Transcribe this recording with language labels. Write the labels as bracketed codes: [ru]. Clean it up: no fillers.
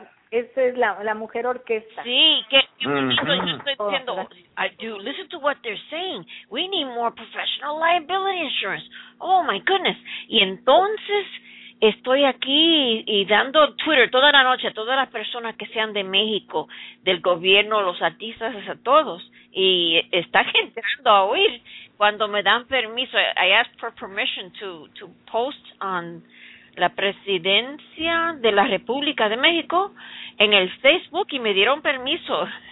[es] Esa es la mujer orquesta. Sí, que yo estoy diciendo, [en] listen to what they're saying. We need more professional liability insurance. Oh, my goodness. [es] Y entonces estoy aquí y dando Twitter toda la noche a todas las personas que sean de México, del gobierno, los artistas, a todos. Y están entrando a oír cuando me dan permiso. [en] I ask for permission to post on [es] la presidencia de la República de México en el Facebook [en] y me dieron permiso.